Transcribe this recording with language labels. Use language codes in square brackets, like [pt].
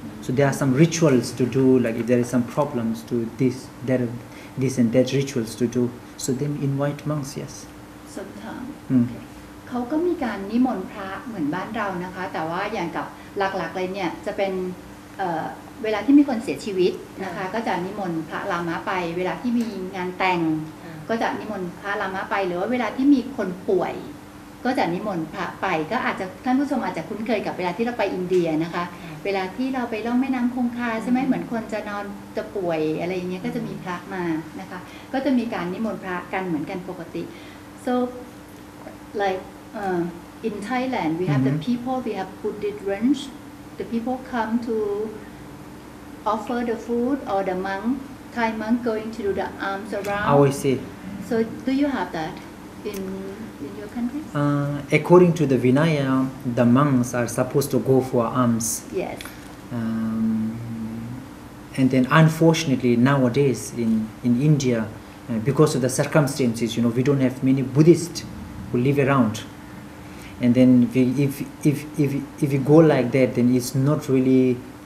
[en] So there are some rituals to do, like if there is some problems to this, there, this and that rituals to do. So they invite monks, yes. Sometimes. Okay. [th] เขาก็มีการนิมนต์พระเหมือนบ้านเรานะคะแต่ว่าอย่างกับหลักๆเลยเนี่ยจะเป็นเวลาที่มีคนเสียชีวิตนะคะก็จะนิมนต์พระลามะไปเวลาที่มีงานแต่งก็จะนิมนต์พระลามะไปหรือว่าเวลาที่มีคนป่วย ก็จะนิมนต์พระไปก็อาจจะท่านผู้ชมอาจจะคุ้นเคยกับเวลาที่เราไปอินเดียนะคะเวลาที่เราไปล่องแม่น้ำคงคาใช่ไหมเหมือนคนจะนอนจะป่วยอะไรอย่างเงี้ยก็จะมีพระมานะคะก็จะมีการนิมนต์พระกันเหมือนกันปกติ [en] so like in Thailand we have the people we have Buddhist ranch the people come to offer the food or the monk Thai monk going to do the alms around I will see so do you have that in your country according to the Vinaya the monks are supposed to go for alms yes and then unfortunately nowadays in India because of the circumstances you know we don't have many Buddhists who live around and then if you go like that then it's not really